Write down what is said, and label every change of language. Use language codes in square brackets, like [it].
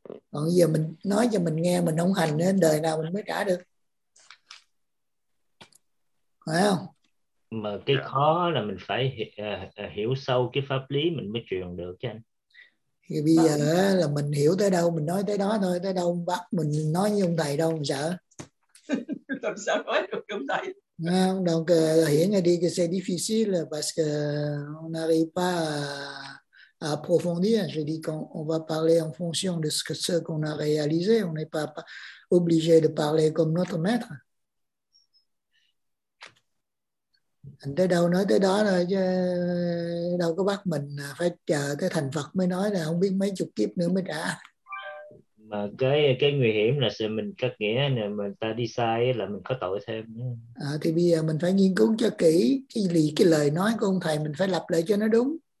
[vi] Còn giờ mình nói cho mình nghe mình không hành nên đời nào mình mới trả được, phải không? Mà cái khó là mình phải hiểu sâu cái pháp lý mình mới truyền được chứ anh. Thì bây giờ là mình hiểu tới đâu mình nói tới đó thôi, tới đâu bắt mình nói với ông thầy đâu mình sợ. [fr] Donc rien à dire que c'est difficile parce que on n'arrive pas à approfondir. Je dis qu'on va parler en fonction de ce qu'on a réalisé. On n'est pas obligé de parler comme notre maître. [vi] Tới đâu nói tới đó rồi chứ đâu có bắt mình phải chờ tới thành Phật mới nói là không biết mấy chục kiếp nữa mới trả. Mà cái nguy hiểm là sẽ mình cắt nghĩa là mình ta đi sai là mình có tội thêm. À, thì bây giờ mình phải nghiên cứu cho kỹ cái lời nói của ông thầy, mình phải lập lại cho nó đúng.